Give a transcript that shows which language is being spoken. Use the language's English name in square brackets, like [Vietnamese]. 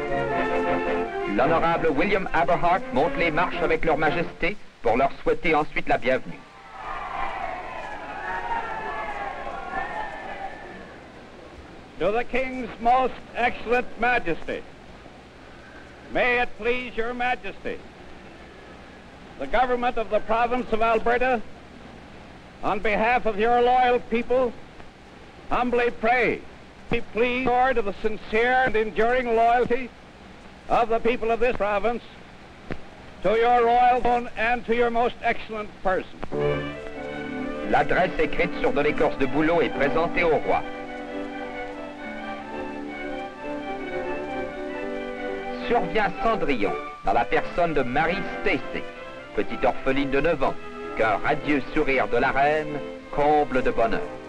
[French] L'honorable William Aberhart monte les marches avec leur majesté pour leur souhaiter ensuite la bienvenue. [English] To the King's most excellent majesty, may it please your majesty, the government of the province of Alberta, on behalf of your loyal people, humbly pray, be pleased Lord, of the sincere and enduring loyalty of the people of this province, to your royal throne and to your most excellent person. [French] L'adresse écrite sur de l'écorce de bouleau est présentée au roi. Survient Cendrillon, dans la personne de Marie Stacy, petite orpheline de 9 ans, qu'un radieux sourire de la reine comble de bonheur.